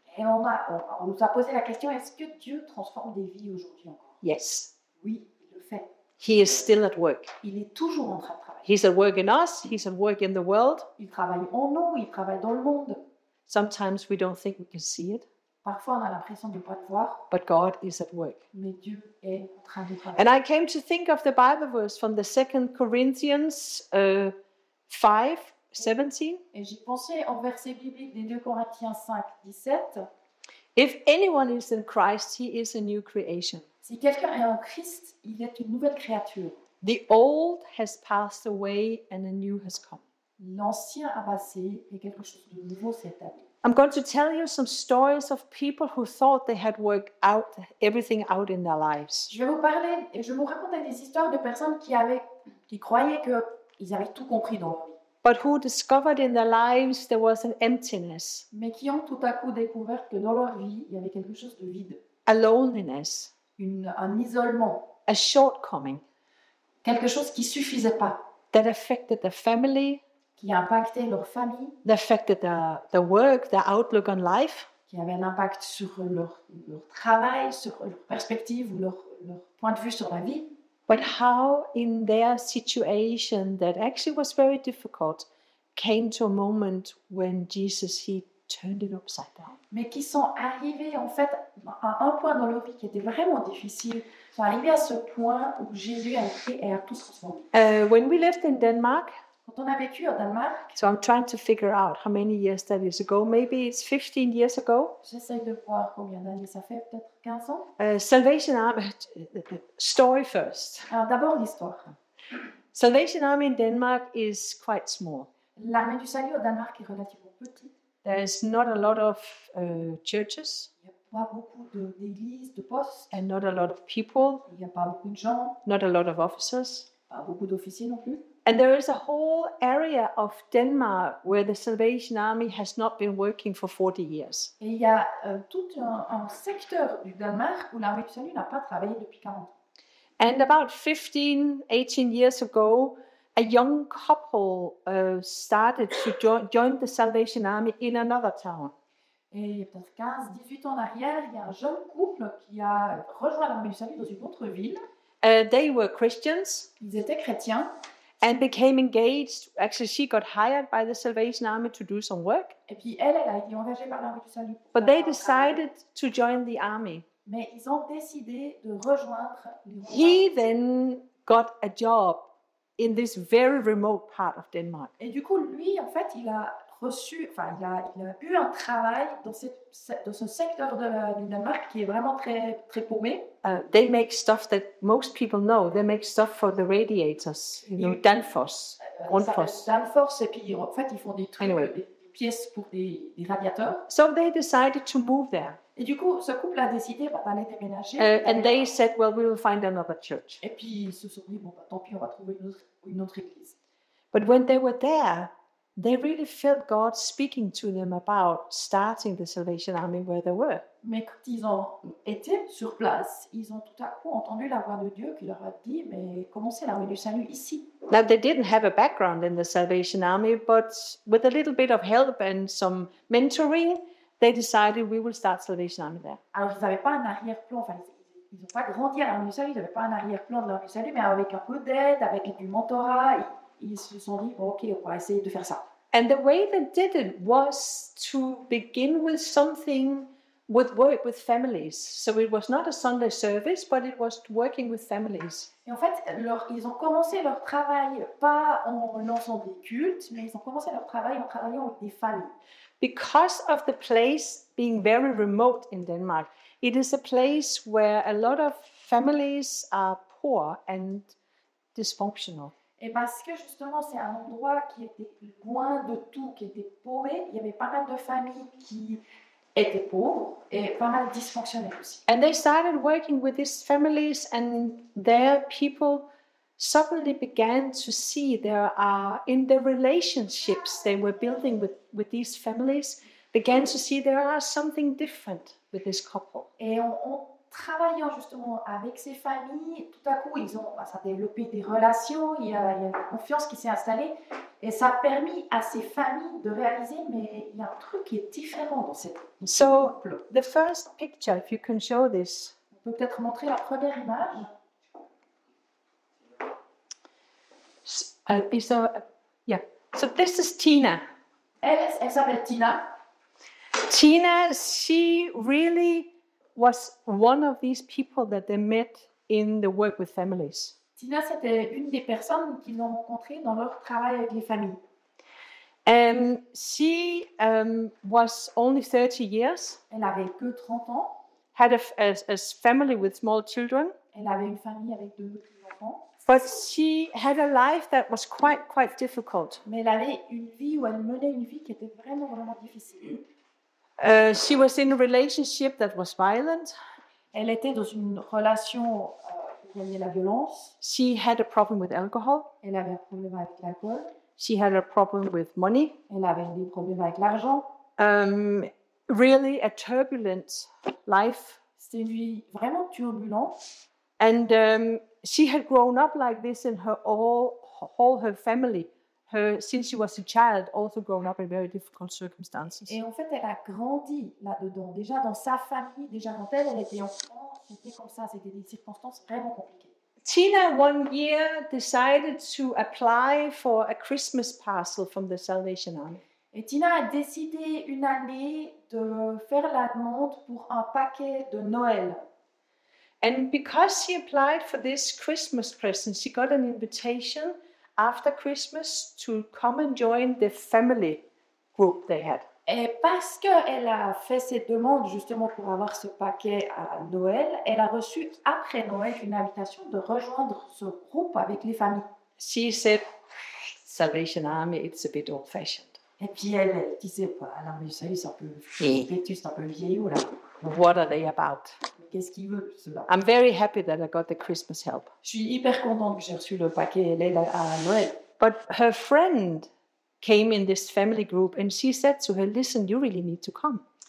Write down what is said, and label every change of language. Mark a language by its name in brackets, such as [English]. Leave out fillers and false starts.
[French] Et on nous a posé la question, est-ce que Dieu transforme des vies aujourd'hui encore? [English] Yes. [French] Oui, il le fait. [English] He is still at work. [French] Il est toujours en train de travailler. [English] He's at work in us, he's at work in the world. [French] Il travaille en nous, il travaille dans le monde. [English] Sometimes we don't think we can see it. [French] Parfois on a l'impression de ne pas le voir. [English] But God is at work. [French] Mais Dieu est en train de travailler. [English] And I came to think of the Bible verse from the 2 Corinthians 5. 17. [French] Et j'ai pensé au verset biblique des 2 Corinthiens 5, 17. [English] If anyone is in Christ, he is a new creation. [French] Si quelqu'un est en Christ, il est une nouvelle créature. [English] The old has passed away and a new has come. [French] L'ancien a passé et quelque chose de nouveau s'est établi. [English] I'm going to tell you some stories of people who thought they had worked out everything out in their lives. [French] Je vais vous parler et je vais vous raconter des histoires de personnes qui croyaient qu'ils avaient tout compris dans leur vie. [English] But who discovered in their lives there was an emptiness. [French] Mais qui ont tout à coup découvert que dans leur vie, il y avait quelque chose de vide. [English] A loneliness. [French] Un isolement. [English] A shortcoming. [French] Quelque chose qui ne suffisait pas. [English] That affected their family. [French] Qui a impacté leur famille. [English] That affected their work, their outlook on life. [French] Qui avait un impact sur leur travail, sur leur perspective, ou leur point de vue sur la vie. [English] But how in their situation that actually was very difficult came to a moment when Jesus he turned it upside down. [French] Mais qui sont arrivés en fait à un point dans leur vie qui était vraiment difficile, sont arrivés à ce point où Jésus a pris et a tout transformé. [English] When we lived in Denmark, [French] quand on a vécu au Danemark, [English] so I'm trying to figure out how many years that is ago, maybe it's 15 years ago. [French] J'essaie de voir combien d'années ça fait, peut-être 15 ans. [English] Salvation Army, story first. [French] Alors d'abord l'histoire. [English] Salvation Army in Denmark is quite small. [French] L'armée du salut au Danemark est relativement petite. [English] There's not a lot of churches. [French] Il n'y a pas beaucoup d'églises, de postes. [English] And not a lot of people. [French] Il n'y a pas beaucoup de gens. [English] Not a lot of officers. [French] Pas beaucoup d'officiers non plus. [English] And there is a whole area of Denmark where the Salvation Army has not been working for 40 years. [French] Et il y a tout un secteur du Danemark où l'armée du salut n'a pas travaillé depuis 40 ans. [English] And about 15, 18 years ago, a young couple started to join the Salvation Army in another town. [French] Et il y a peut-être 15, 18 ans en arrière, il y a un jeune couple qui a rejoint l'armée du salut dans une autre ville. [English] They were Christians. [French] Ils étaient chrétiens. [English] And became engaged. Actually, she got hired by the Salvation Army to do some work. [French] Et puis elle a été engagée par l'armée du salut. [English] But they decided to join the army. [French] Mais ils ont décidé de rejoindre. [English] He then got a job in this very remote part of Denmark. [French] Et du coup, lui, en fait, il a reçu, enfin, il a eu un travail dans ce secteur du Danemark qui est vraiment très, très paumé. [English] They make stuff that most people know. They make stuff for the radiators, you know, Danfoss. [French] Danfoss, et puis en fait, ils font des trucs, anyway. Des pièces pour des radiateurs. [English] So they decided to move there. [French] Et du coup, ce couple a décidé d'aller déménager. [English] And they said, well, we will find another church. [French] Et puis ils se sont dit, bon, bah, tant pis, on va trouver une autre église. [English] But when they were there, they really felt God speaking to them about starting the Salvation Army where they were. [French] Mais quand ils ont été sur place, ils ont tout à coup entendu la voix de Dieu qui leur a dit, mais commencez l'armée du salut ici. [English] Now they didn't have a background in the Salvation Army, but with a little bit of help and some mentoring, they decided we will start Salvation Army there. [French] Alors ils n'avaient pas un arrière-plan, enfin ils n'ont pas grandi à l'armée du salut, ils n'avaient pas un arrière-plan de l'armée du salut, mais avec un peu d'aide, avec du mentorat. Ils se sont dit, bon, ok, on va essayer de faire ça. [English] And the way they did it was to begin with something with work with families. So it was not a Sunday service, but it was working with families. [French] Et en fait, ils ont commencé leur travail pas en lançant des cultes, mais ils ont commencé leur travail en travaillant avec des familles. [English] Because of the place being very remote in Denmark, it is a place where a lot of families are poor and dysfunctional. [French] Et parce que justement, c'est un endroit qui était loin de tout, qui était paumé. Il y avait pas mal de familles qui étaient pauvres et pas mal dysfonctionnelles aussi. [English] And they started working with these families, and their people suddenly began to see there are in the relationships they were building with these families began to see there are something different with this couple. [French] Et en travaillant justement avec ces familles, tout à coup, ça a développé des relations, il y a une confiance qui s'est installée, et ça a permis à ces familles de réaliser, mais il y a un truc qui est différent dans cette couple. [English] So, the first picture, if you can show this. [French] On peut peut-être montrer la première image. [English] So this is Tina. [French] Elle s'appelle Tina. [English] Tina, she really was one of these people that they met in the work with families. [French] Tina, c'était une des personnes qu'ils ont rencontrées dans leur travail avec les familles. [English] And she was only 30 years. [French] Elle avait que 30 ans. [English] Had a family with small children. [French] Elle avait une famille avec deux enfants. [English] But she had a life that was quite difficult. [French] Mais elle avait une vie où elle menait une vie qui était vraiment, vraiment difficile. [English] She was in a relationship that was violent. [French] Elle était dans une relation où il y avait la violence. [English] She had a problem with alcohol. [French] Elle avait un problème avec l'alcool. [English] She had a problem with money. [French] Elle avait des problèmes avec l'argent. [English] Really a turbulent life. [French] C'était une vie vraiment turbulente. [English] And she had grown up like this in her family. Since she was a child, also grown up in very difficult circumstances. [French] Et en fait, elle a grandi là-dedans. Déjà dans sa famille, déjà quand elle était enfant, c'était comme ça. C'était des circonstances vraiment compliquées. [English] Tina, one year, decided to apply for a Christmas parcel from the Salvation Army. [French] Et Tina a décidé une année de faire la demande pour un paquet de Noël. [English] And because she applied for this Christmas present, she got an invitation after Christmas to come and join the family group they had. [French] Et parce qu'elle a fait cette demande justement pour avoir ce paquet à Noël, elle a reçu après Noël une invitation de rejoindre ce groupe avec les familles. [English] She said, Salvation Army, it's a bit old-fashioned. [French] Et puis elle disait, bah, alors, mais savez, c'est un peu vétuste, un peu vieillot là. [English] What are they about? [French] Qu'est-ce qu'il veut, cela? [English] I'm very happy that I got the Christmas help. [French] Je suis hyper contente que j'ai reçu le paquet l'aide à Noël. [English] But her friend came in this family group and she said to her, listen, you really need to come.